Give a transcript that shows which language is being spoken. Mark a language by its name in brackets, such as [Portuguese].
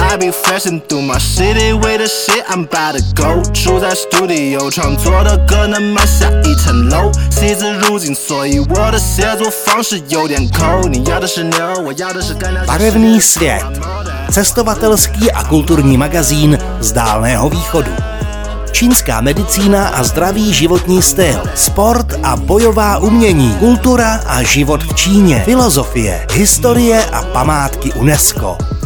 [English] Flashing through my city with the shit I'm about to go. [Chinese] 住在 studio 创作的歌能买下一层楼，惜字如金，所以我的写作方式有点抠。你要的是牛，我要的是干粮。 [Czech] Barevný svět, cestovatelský a kulturní magazín z Dálného východu. Čínská medicína a zdravý životní styl, sport a bojová umění, kultura a život v Číně, filozofie, historie a památky UNESCO.